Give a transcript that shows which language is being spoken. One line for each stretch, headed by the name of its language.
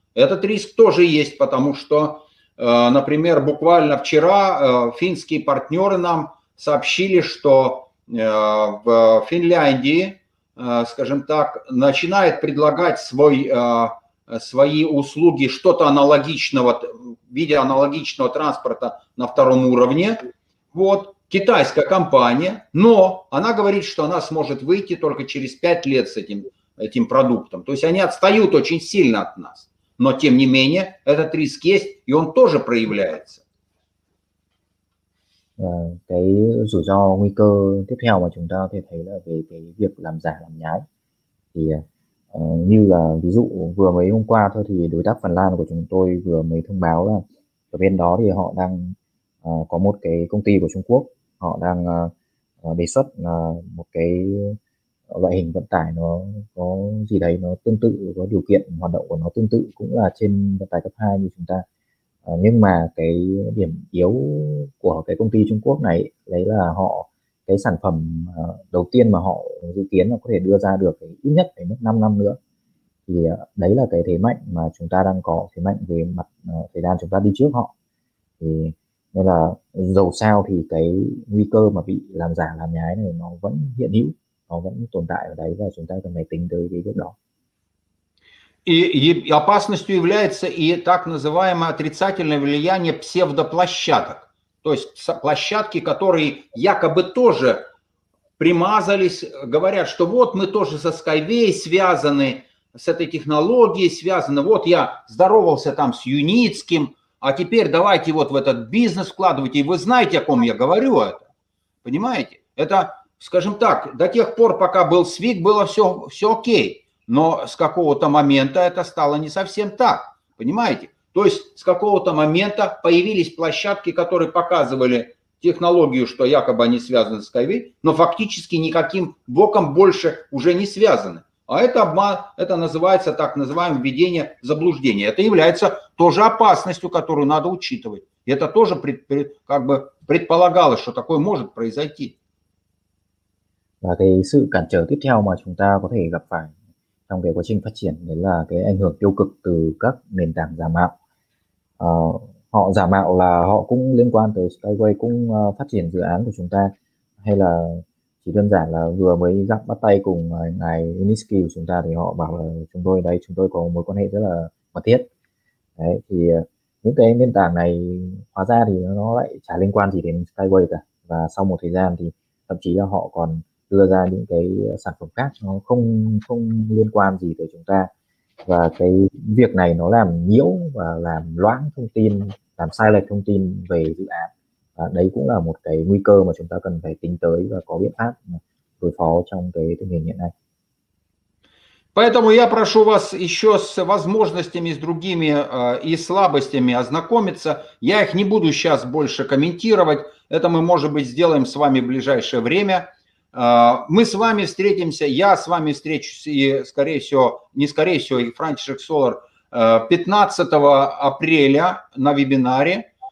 Russian: Этот риск тоже есть, потому что, например, буквально вчера финские партнеры нам сообщили, что в Финляндии, скажем так, начинает предлагать свои услуги что-то аналогичного, в виде аналогичного транспорта на втором уровне. Вот. Китайская компания, но она говорит, что она сможет выйти только через 5 лет с этим продуктом. То есть они отстают очень сильно от нас. Но тем не менее, этот риск есть, и он тоже проявляется.
Vietnamese: Cái rủi ro nguy cơ tiếp theo mà chúng ta có thể thấy là về cái việc làm giả làm nhái. Thì như là ví dụ vừa mấy hôm qua thôi thì đối tác Phần Lan của chúng tôi vừa mới thông báo là ở bên đó thì họ đang có một cái công ty của Trung Quốc, họ đang đề xuất một cái loại hình vận tải nó có gì đấy nó tương tự, có điều kiện hoạt động của nó tương tự cũng là trên vận tải cấp 2 như chúng ta. Nhưng mà cái điểm yếu của cái công ty Trung Quốc này đấy là họ, cái sản phẩm đầu tiên mà họ dự kiến là có thể đưa ra được ít nhất đến mức 5 năm nữa. Thì đấy là cái thế mạnh mà chúng ta đang có, thế mạnh về mặt thời gian chúng ta đi trước họ. Thì nên là dù sao thì cái nguy cơ mà bị làm giả làm nhái này nó vẫn hiện hữu, nó vẫn tồn tại ở đấy và chúng ta cần phải tính tới cái việc đó.
Russian: И опасностью является и так называемое отрицательное влияние псевдоплощадок, то есть площадки, которые якобы тоже примазались, говорят, что вот мы тоже со Skyway связаны, с этой технологией связаны, вот я здоровался там с Юницким, а теперь давайте вот в этот бизнес вкладывайте, и вы знаете, о ком я говорю это, понимаете? Это, скажем так, до тех пор, пока был СВИК, было все окей. Но с какого-то момента это стало не совсем так, понимаете? То есть с какого-то момента появились площадки, которые показывали технологию, что якобы они связаны с Skyway, но фактически никаким боком больше уже не связаны. А это обман, это называется так называемое введение в заблуждение. Это является тоже опасностью, которую надо учитывать. Это тоже как бы предполагалось, что такое может произойти.
Vietnamese: Và cái sự cản trở tiếp theo mà chúng ta có thể gặp phải trong cái quá trình phát triển đấy là cái ảnh hưởng tiêu cực từ các nền tảng giả mạo. Họ giả mạo là họ cũng liên quan tới Skyway, cũng phát triển dự án của chúng ta, hay là chỉ đơn giản là vừa mới gặp bắt tay cùng ngài Uniski của chúng ta thì họ bảo là chúng tôi đấy, chúng tôi có mối quan hệ rất là mật thiết đấy, thì những cái nền tảng này hóa ra thì nó lại chả liên quan gì đến Skyway cả, và sau một thời gian thì thậm chí là họ còn đưa ra những cái sản phẩm khác nó không liên quan gì tới chúng ta, và cái việc này nó làm nhiễu và làm loãng thông tin, làm sai lệch thông tin về dự án, và đấy cũng là một cái nguy cơ mà chúng ta cần phải tính tới và có biện pháp đối phó trong cái tình hình hiện nay.
Russian: Поэтому я прошу вас еще с возможностями, с другими и слабостями ознакомиться. Я их не буду сейчас больше комментировать. Это мы, может быть, сделаем с вами в ближайшее время. Мы с вами встретимся, я с вами встречусь, и, скорее всего, не скорее всего, и František Solar 15 апреля на вебинаре.